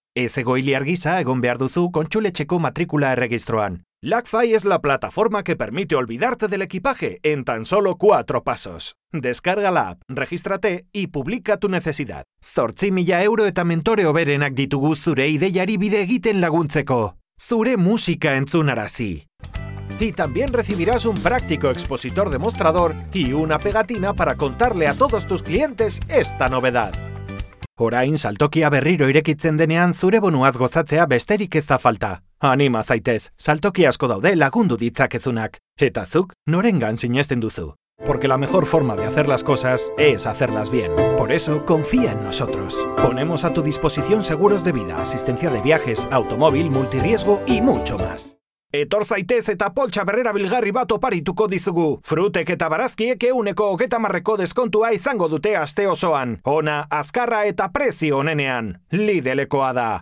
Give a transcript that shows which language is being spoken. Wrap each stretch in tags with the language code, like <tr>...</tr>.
<eu>Ez egoiliar gisa egon behar duzu kontsuletxeko matrikula erregistroan.</eu> <es>LACFAI es la plataforma que permite olvidarte del equipaje en tan solo 4 pasos. Descarga la app, regístrate y publica tu necesidad.</es> <eu>8.000 € eta mentore oberenak ditugu zure ideiari bide egiten laguntzeko. Zure musika entzunarazi.</eu> <es>Y también recibirás un práctico expositor demostrador y una pegatina para contarle a todos tus clientes esta novedad.</es> <eu>Orain saltokia berriro irekitzen denean zure bonuaz gozatzea besterik ez da falta. Anima zaitez, saltoki asko daude lagundu ditzakezunak. Eta zuk, norengan sinesten duzu.</eu> <es>Porque la mejor forma de hacer las cosas es hacerlas bien. Por eso, confía en nosotros. Ponemos a tu disposición seguros de vida, asistencia de viajes, automóvil, multirriesgo y mucho más.</es> <eu>Etor zaitez eta poltsa berrera bilgarri bat oparituko dizugu. Frutek eta barazkiek 120ko deskontua izango dute aste osoan. Ona, azkarra eta prezio onenean. Lidlekoa da.</eu>